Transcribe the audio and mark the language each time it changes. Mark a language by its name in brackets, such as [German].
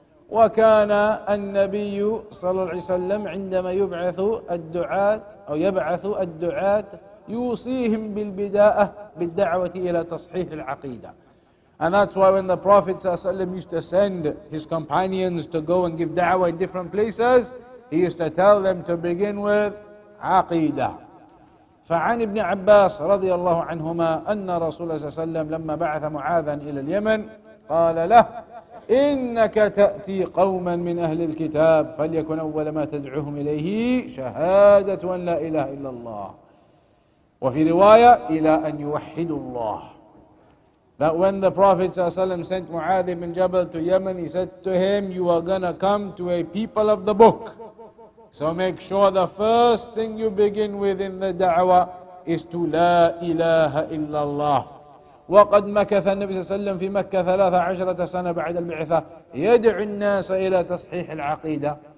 [Arabic] وَكَانَ النَّبِيُّ صَلَى اللَّهِ وَسَلَّمْ عِنْدَمَا يُبْعَثُ الدُّعَاةِ أَوْ يَبْعَثُ الدُّعَاةِ يُوصِيهِمْ بِالْبِدَاءَةِ بِالدَّعْوَةِ إِلَى تَصْحِيحِ الْعَقِيدَةِ. [English] And that's why when the Prophet صلى الله عليه وسلم used to send his companions to go and give da'wah in different places, he used to tell them to begin with عَقِيدَةِ. [Arabic] فعن ابن عباس رضي الله عنهما أن رسول الله صلى الله عليه وسلم لما بعث معاذا إلى اليمن قال له إنك تأتي قوما من أهل الكتاب فليكن أول ما تدعوهم إليه شهادة أن لا إله إلا الله. وفي رواية إلى أن يوحدوا الله. [English] That when the Prophet ﷺ sent Mu'adh ibn Jabal to Yemen, he said to him, you are gonna come to a people of the book. So make sure the first thing you begin with in the da'wah is to La ilaha illallah. [Arabic] وقد مكث النبي صلى الله عليه وسلم في مكة 13 سنة بعد البعثة يدعو الناس إلى تصحيح العقيدة.